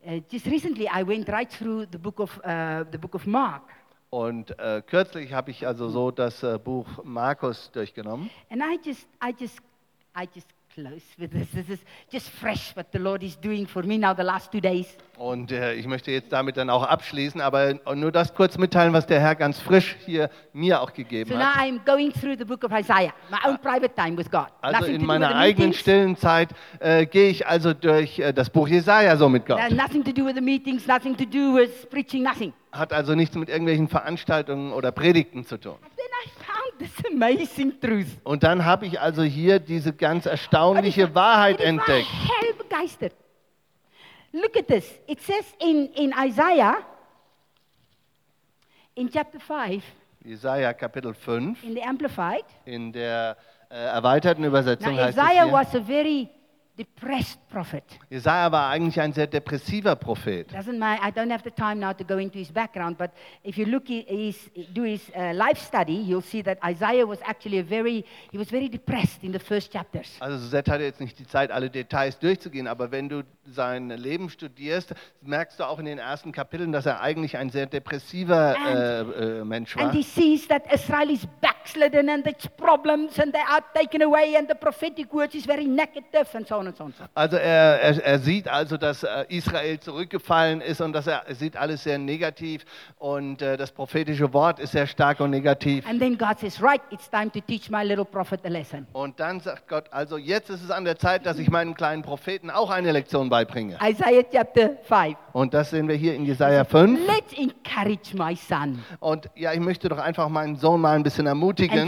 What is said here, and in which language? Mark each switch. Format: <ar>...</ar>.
<en>Just recently I went right through the book of Mark.</en> <de>Und kürzlich habe ich also so das Buch Markus durchgenommen.</de> <en>And I just close with this. This is just fresh what the Lord is doing for me now the last 2 days.</en> <de>Und ich möchte jetzt damit dann auch abschließen, aber nur das kurz mitteilen, was der Herr ganz frisch hier mir auch gegeben so hat.</de> <en>So now I'm going through the book of Isaiah, my own private time with God.</en> <de>Also</de> <en>nothing</en> <de>in meiner eigenen stillen Zeit gehe ich also durch das Buch Jesaja so mit Gott.</de> <en>Nothing to do with the meetings, nothing to do with preaching, nothing.</en> <de>Hat also nichts mit irgendwelchen Veranstaltungen oder Predigten zu tun.</de> <en>This amazing truth.</en> <de>Und dann habe ich also hier diese ganz erstaunliche Wahrheit entdeckt. Ich war hell begeistert.</de> <en>Look at this. It says in Isaiah, in chapter 5,</en> <de>Jesaja Kapitel 5,</de> <en>in the Amplified,</en> <de>in der erweiterten Übersetzung</de> <en>now,</en> <de>heißt es hier,</de> <en>was a very depressed prophet.</en> <de>Jesaja war eigentlich ein sehr depressiver Prophet.</de> <en>I don't have the time now to go into his background, but if you look do his life study, you'll see that Isaiah was actually very depressed in the first chapters.</en> <de>Also Zed hatte jetzt nicht die Zeit, alle Details durchzugehen, aber wenn du sein Leben studierst, merkst du auch in den ersten Kapiteln, dass er eigentlich ein sehr depressiver Mensch war.</de> <en>And he sees that Israel is backslidden and its problems and they are taken away and the prophetic words is very negative and</en> <de>Also er sieht also, dass Israel zurückgefallen ist und dass er sieht alles sehr negativ und das prophetische Wort ist sehr stark und negativ.</de> <en>And then God says, right, it's time to teach my little prophet a lesson.</en> <de>Und dann sagt Gott, also jetzt ist es an der Zeit, dass ich meinen kleinen Propheten auch eine Lektion beibringe.</de> <en>Isaiah chapter 5.</en> <de>Und das sehen wir hier in Jesaja 5.</de> <en>Let's encourage my son.</en> <de>Und ja, ich möchte doch einfach meinen Sohn mal ein bisschen ermutigen.</de>